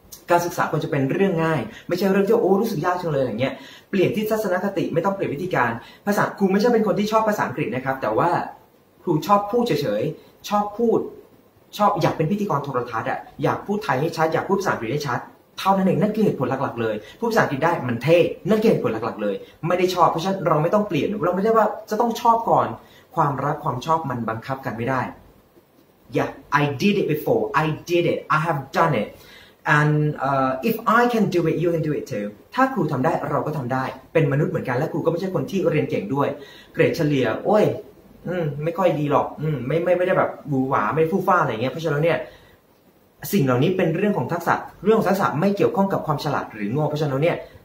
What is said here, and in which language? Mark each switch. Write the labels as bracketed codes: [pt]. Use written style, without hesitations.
[th] การศึกษาควรจะเป็นเรื่องง่ายไม่ใช่เรื่องที่โอ้รู้สึกยากจังเลยอย่างเงี้ยเปลี่ยนที่ทัศนคติไม่ต้องเปลี่ยนวิธีการภาษาครูไม่ใช่เป็นคนที่ชอบภาษาอังกฤษนะครับแต่ว่าครูชอบพูดเฉยๆชอบพูดชอบอยากเป็นพิธีกรโทรทัศน์อ่ะอยากพูดไทยให้ชัดอยากพูดภาษาอังกฤษให้ชัดเท่านั้นเองนั่นคือเหตุผลหลักๆเลยพูดภาษาอังกฤษได้มันเท่นั่นคือเหตุผลหลักๆเลยไม่ได้ชอบเพราะฉะนั้นเราไม่ต้องเปลี่ยนเราไม่ได้ว่าจะต้องชอบก่อนความรักความชอบมันบังคับกันไม่ได้ [en] Yeah, I did it before. I did it. I have done it. And if I can do it, you can do it too. [th] ถ้าครูทำได้เราก็ทำได้เป็นมนุษย์เหมือนกันและครูก็ไม่ใช่คนที่เรียนเก่งด้วยเกรดเฉลี่ยโอ้ยไม่ค่อยดีหรอกไม่ได้แบบหวือหวาไม่ฟู่ฟ้าอะไรเงี้ยเพราะฉะนั้นเนี่ยสิ่งเหล่านี้เป็นเรื่องของทักษะเรื่องของทักษะไม่เกี่ยวข้องกับความฉลาดหรือโง่เพราะฉะนั้นเนี่ย